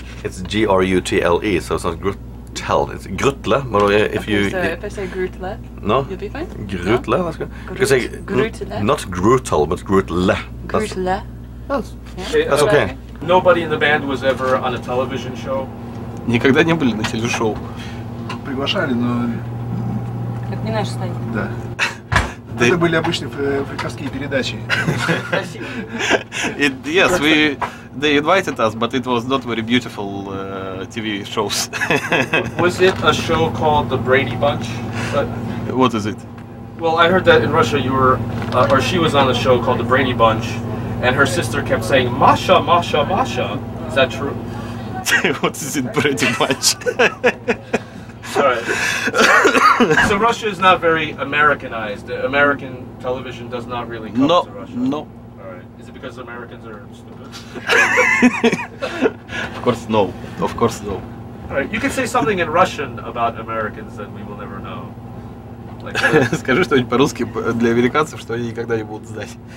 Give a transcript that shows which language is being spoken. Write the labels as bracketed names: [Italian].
[English] It's G-R-U-T-L-E, so it's not Gürtel, it's Grütle. But if if I say Grütle, no? You'll be fine. Grütle, no? That's good. You can say Grütle. Not Gürtel, but Grütle. Grütle. That's okay. Nobody in the band was ever on a television show. [Russian] Никогда не были на телешоу. Приглашали, но... Это не наш стайк. Да. Это были обычные фриковские передачи. Спасибо. [English] Yes, we... They invited us, but it was not very beautiful TV shows. Was it a show called The Brady Bunch? What is it? Well, I heard that in Russia you were... or she was on a show called The Brady Bunch, and her sister kept saying, Masha, Masha, Masha. Is that true? What is it, pretty much? Sorry. So Russia is not very Americanized. American television does not really come to Russia. No. All right. Is it because Americans are stupid? Of course, no. Of course, no. All right. You can say something in Russian about Americans that we will never know. [Russian] Like, скажи что-нибудь по-русски для американцев, что они никогда не будут знать.